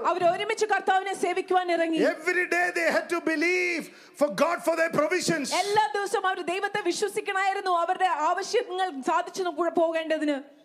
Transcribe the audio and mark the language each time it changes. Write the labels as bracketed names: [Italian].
[Malayalam] അവര് ഒരുമിച്ച് കർത്താവിനെ സേവിക്കുവാൻ ഇറങ്ങി. [English] Every day they had to believe for God for their provisions. [Malayalam] എല്ലാ ദിവസവും അവർ ദൈവത്തെ വിശ്വസിക്കണമായിരുന്നു അവരുടെ ആവശ്യങ്ങൾ സാധിച്ചു പോകേണ്ടതിന്.